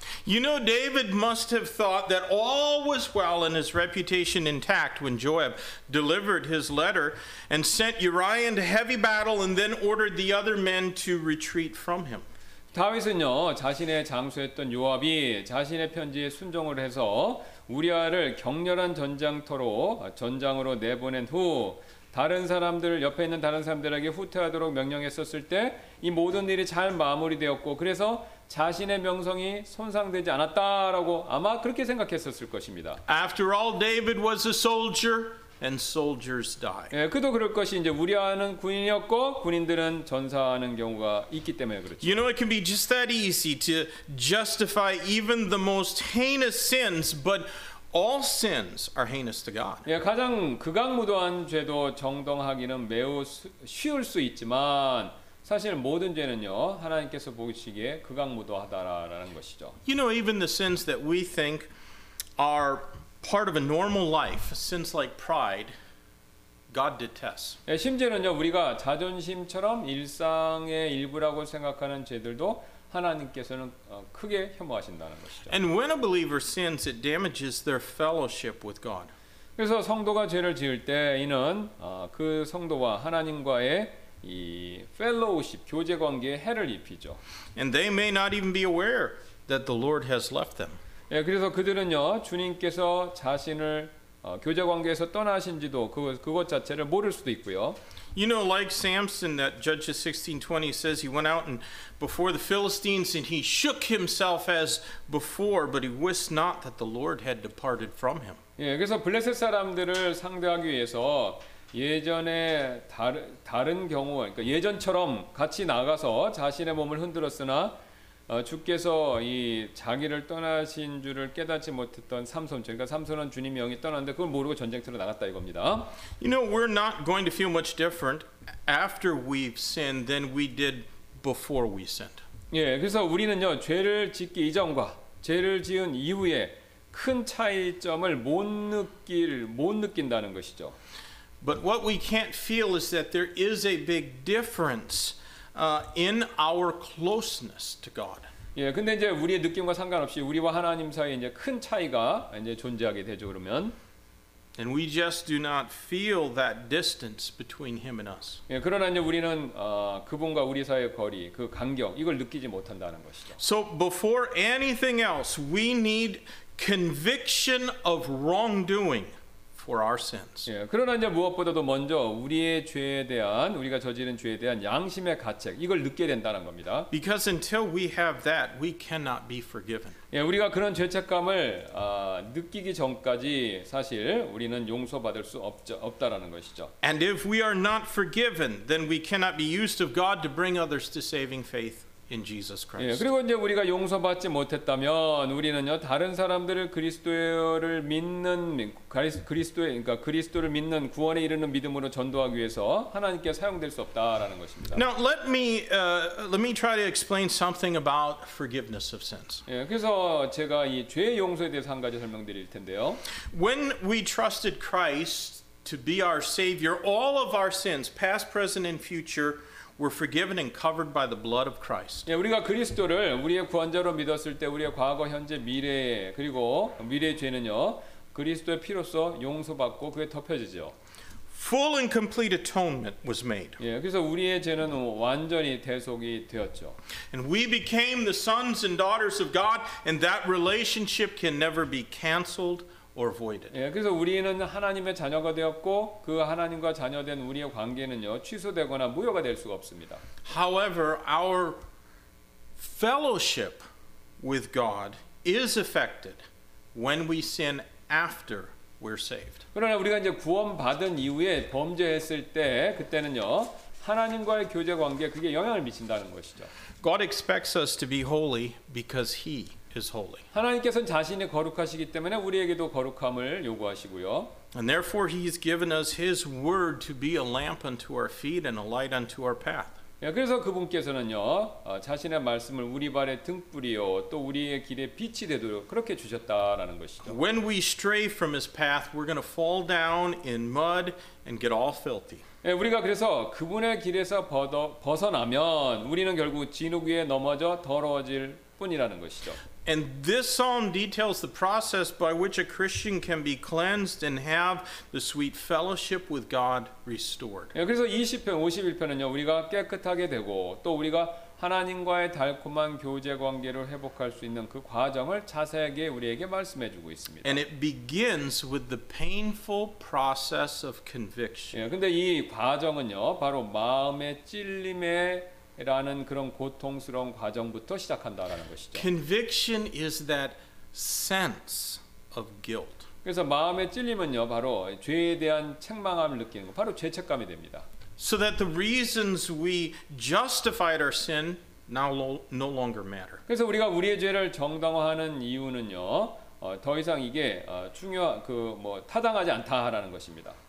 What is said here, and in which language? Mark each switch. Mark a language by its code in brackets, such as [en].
[en] You know, David must have thought that all was well and his reputation intact when Joab delivered his letter and sent Uriah into heavy battle and then ordered the other men to retreat from him. [ko] 다윗은요, 자신의 장수했던 요압이 자신의 편지에 순종을 해서 우리아를 격렬한 전장으로 내보낸 후 다른 사람들 옆에 있는 다른 사람들에게 후퇴하도록 명령했었을 때 이 모든 일이 잘 마무리되었고 그래서 자신의 명성이 손상되지 않았다라고 아마 그렇게 생각했었을 것입니다. [en] After all, David was a soldier and soldiers die. [ko] 예, 그도 그럴 것이 이제 우리아는 군인이었고 군인들은 전사하는 경우가 있기 때문에 그렇죠. [en] You know, it can be just that easy to justify even the most heinous sins, but all sins are heinous to God. [ko] 예, 가장 극악무도한 죄도 정당하기는 매우 쉬울 수 있지만 사실 모든 죄는요 하나님께서 보시기에 극악무도하다라는 것이죠. [en] You know, even the sins that we think are part of a normal life, sins like pride, God detests. [ko] 예, 심지어는요 우리가 자존심처럼 일상의 일부라고 생각하는 죄들도 하나님께서는 크게 혐오하신다는 것이죠. [en] And when a believer sins, it damages their fellowship with God. [ko] 그래서 성도가 죄를 지을 때 이는 그 성도와 하나님과의 이 fellowship, 교제 관계에 해를 입히죠. [en] And they may not even be aware that the Lord has left them. [ko] 예, 그래서 그들은요 주님께서 자신을 교제 관계에서 떠나신지도 그것 자체를 모를 수도 있고요. [en] You know, like Samson, that Judges 16:20 says he went out and before the Philistines and he shook himself as before, but he wist not that the Lord had departed from him. [ko] 예, 그래서 블레셋 사람들을 상대하기 위해서 예전에 다른 경우, 그러니까 예전처럼 같이 나가서 자신의 몸을 흔들었으나 주께서 이 자기를 떠나신 줄을 깨닫지 못했던 삼손, 그러니까 삼손은 주님의 영이 떠났는데 그걸 모르고 전쟁터로 나갔다 이겁니다. [en] You know, we're not going to feel much different after we've sinned than we did before we sinned. [ko] 예, 그래서 우리는요 죄를 짓기 이전과 죄를 지은 이후에 큰 차이점을 못 느낀다는 것이죠. [en] But what we can't feel is that there is a big difference in our closeness to God. [ko] 예, 근데 이제 우리의 느낌과 상관없이 우리와 하나님 사이에 이제 큰 차이가 이제 존재하게 되죠, 그러면. [en] And we just do not feel that distance between him and us. [ko] 예, 그러나 이제 우리는 그분과 우리 사이의 거리, 그 간격 이걸 느끼지 못한다는 것이죠. [en] So before anything else, we need conviction of wrongdoing for our sins. [ko] 예, 그러나 이제 무엇보다도 먼저 우리의 죄에 대한 우리가 저지른 죄에 대한 양심의 가책 이걸 느껴야 된다는 겁니다. [en] Because until we have that, we cannot be forgiven. [ko] 예, 우리가 그런 죄책감을 느끼기 전까지 사실 우리는 용서받을 수 없다라는 것이죠. [en] And if we are not forgiven, then we cannot be used of God to bring others to saving faith in Jesus Christ. [ko] 예, 그리고 이제 우리가 용서받지 못했다면 우리는요 다른 사람들을 그리스도를 믿는 그리스도의 그러니까 그리스도를 믿는 구원에 이르는 믿음으로 전도하기 위해서 하나님께 사용될 수 없다라는 것입니다. [en] Now let me try to explain something about forgiveness of sins. [ko] 예, 그래서 제가 이 죄 용서에 대해서 한 가지 설명드릴 텐데요. [en] When we trusted Christ to be our savior, all of our sins, past, present and future, were forgiven and covered by the blood of Christ. [ko] 예, 우리가 그리스도를 우리의 구원자로 믿었을 때 우리의 과거, 현재, 미래 그리고 미래의 죄는요 그리스도의 피로써 용서받고 그게 덮여지죠. [en] full and complete atonement was made. [ko] 예, 그래서 우리의 죄는 완전히 대속이 되었죠. [en] And we became the sons and daughters of God, and that relationship can never be canceled or voided. [ko] 예, 그래서 우리는 하나님의 자녀가 되었고 그 하나님과 자녀된 우리의 관계는요 취소되거나 무효가 될 수가 없습니다. [en] However, our fellowship with God is affected when we sin after we're saved. [ko] 그러나 우리가 이제 구원받은 이후에 범죄했을 때 그때는요 하나님과의 교제 관계 그게 영향을 미친다는 것이죠. [en] God expects us to be holy because He is holy. [ko] 하나님께서는 자신이 거룩하시기 때문에 우리에게도 거룩함을 요구하시고요. [en] And therefore He has given us His word to be a lamp unto our feet and a light unto our path. [ko] 예, 그래서 그분께서는요 자신의 말씀을 우리 발의 등불이요 또 우리의 길의 빛이 되도록 그렇게 주셨다라는 것이죠. [en] When we stray from His path, we're going to fall down in mud and get all filthy. [ko] 예, 우리가 그래서 그분의 길에서 벗어나면 우리는 결국 진흙위에 넘어져 더러워질 뿐이라는 것이죠. [en] And this psalm details the process by which a Christian can be cleansed and have the sweet fellowship with God restored. [ko] 예, 그래서 20편, 51편은요, 우리가 깨끗하게 되고 또 우리가 하나님과의 달콤한 교제 관계를 회복할 수 있는 그 과정을 자세하게 우리에게 말씀해 주고 있습니다. [en] And it begins with the painful process of conviction. [ko] 예, 근데 이 과정은요, 바로 마음의 찔림에 라는 그런 고통스러운 과정부터 시작한다라는 것이죠. [en] Conviction is that sense of guilt. [ko] 그래서 마음의 찔림은요, 바로 죄에 대한 책망함을 느끼는 거, 바로 죄책감이 됩니다. [en] So that the reasons we justified our sin now no longer matter. [ko] 그래서 우리가 우리의 죄를 정당화하는 이유는요, 더 이상 이게 타당하지 않다라는 것입니다.